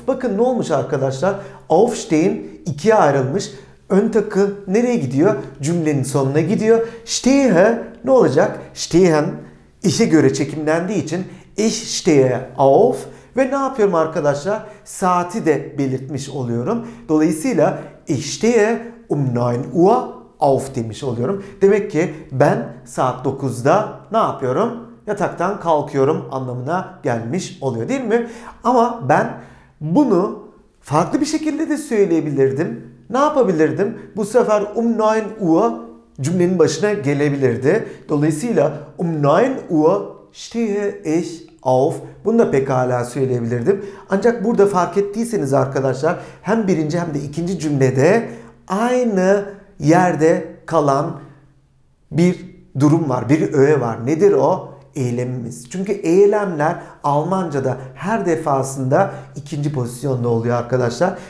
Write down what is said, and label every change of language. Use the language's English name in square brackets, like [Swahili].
[Turkish] Bakın ne olmuş arkadaşlar? Aufstehen ikiye ayrılmış. Ön takı nereye gidiyor? Cümlenin sonuna gidiyor. Stehe ne olacak? Stehen işe göre çekimlendiği için [German] ich stehe auf [Turkish] ve ne yapıyorum arkadaşlar? Saati de belirtmiş oluyorum. Dolayısıyla [German] ich stehe 9 Uhr auf [Turkish] demiş oluyorum. Demek ki ben saat 9'da ne yapıyorum? Yataktan kalkıyorum anlamına gelmiş oluyor, değil mi? Ama ben bunu farklı bir şekilde de söyleyebilirdim. Ne yapabilirdim? Bu sefer 9 Uhr cümlenin başına gelebilirdi. Dolayısıyla [German] 9 Uhr stehe ich auf. [Turkish] Bunu da pekala söyleyebilirdim. Ancak burada fark ettiyseniz arkadaşlar hem birinci hem de ikinci cümlede aynı yerde kalan bir durum var. Bir öğe var. Nedir o? Eylemimiz. Çünkü eylemler Almanca'da her defasında ikinci pozisyonda oluyor arkadaşlar.